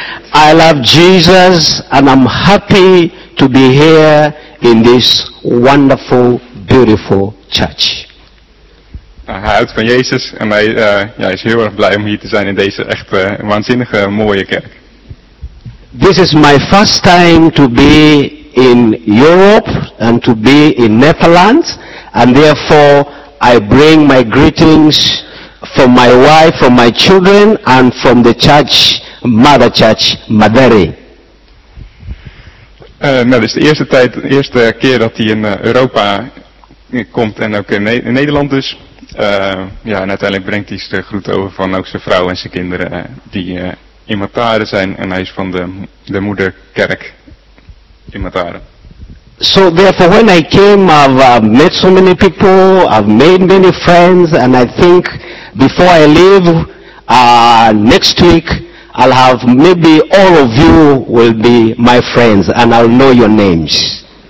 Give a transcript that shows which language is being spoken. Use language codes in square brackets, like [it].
[en] I love Jesus and I'm happy to be here in this wonderful, beautiful church. [nl] Hij houdt van Jezus en hij is heel erg blij om hier te zijn in deze echt waanzinnige mooie kerk. [en] This is my first time to be in Europe and to be in Netherlands, and therefore I bring my greetings from my wife, from my children, and from the church, Mother Church, Madere. [nl] Dat is de eerste keer dat hij in Europa komt en ook in Nederland dus. En uiteindelijk brengt hij de groet over van ook zijn vrouw en zijn kinderen die in Matare zijn. En hij is van de moederkerk in Matare. [en] So therefore when I came I've met so many people, I've made many friends. And I think before I leave next week, I'll have maybe all of you will be my friends and I'll know your names.